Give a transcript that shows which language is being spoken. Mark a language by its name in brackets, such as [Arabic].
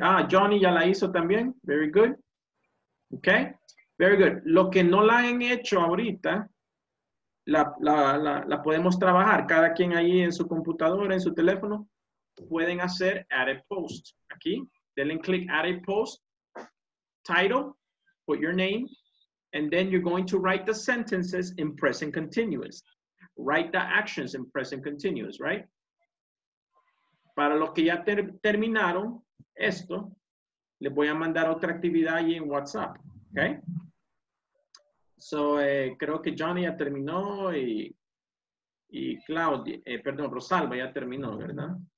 [Spanish] Ah, Johnny ya la hizo también. [English] Very good. Ok, very good. [Spanish] Lo que no la han hecho ahorita, la podemos trabajar. Cada quien ahí en su computadora, en su teléfono, pueden hacer [English] add a post. [Spanish] Aquí, denle [English] click add a post. Title, put your name. And then you're going to write the sentences in present continuous. Write the actions in present continuous, right? [Spanish] Para los que ya terminaron esto, les voy a mandar otra actividad ahí en WhatsApp, okay? So, creo que Johnny ya terminó y Claudia, perdón, Rosalba ya terminó, ¿verdad?